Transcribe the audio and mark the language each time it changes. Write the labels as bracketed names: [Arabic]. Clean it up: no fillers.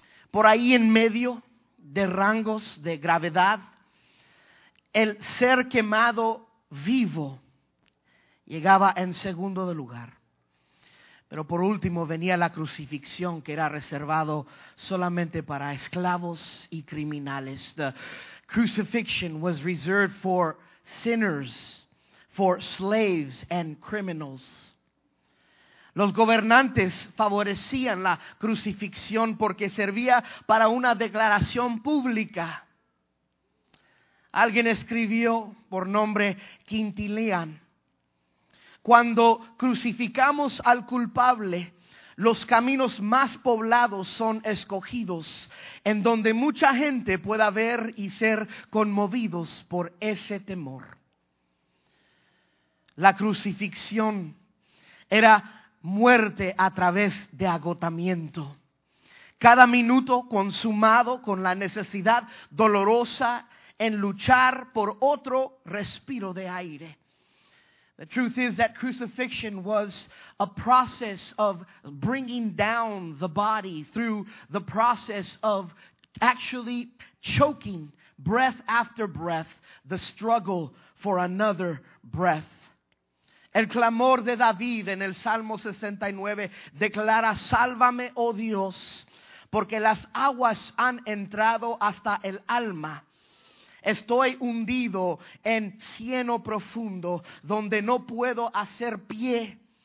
[Spanish] Por ahí en medio de rangos de gravedad, el ser quemado vivo llegaba en segundo de lugar. Pero por último venía la crucifixión, que era reservado solamente para esclavos y criminales. [English] The crucifixion was reserved for sinners, for slaves and criminals. [Spanish] Los gobernantes favorecían la crucifixión porque servía para una declaración pública. Alguien escribió por nombre Quintilian: cuando crucificamos al culpable, los caminos más poblados son escogidos, en donde mucha gente pueda ver y ser conmovidos por ese temor. La crucifixión era muerte a través de agotamiento. Cada minuto consumado con la necesidad dolorosa en luchar por otro respiro de aire. [English] The truth is that crucifixion was a process of bringing down the body through the process of actually choking breath after breath, the struggle for another breath. [Spanish] El clamor de David en el Salmo 69 declara: sálvame, oh Dios, porque las aguas han entrado hasta el alma. Estoy hundido en cieno profundo, donde no puedo hacer pie.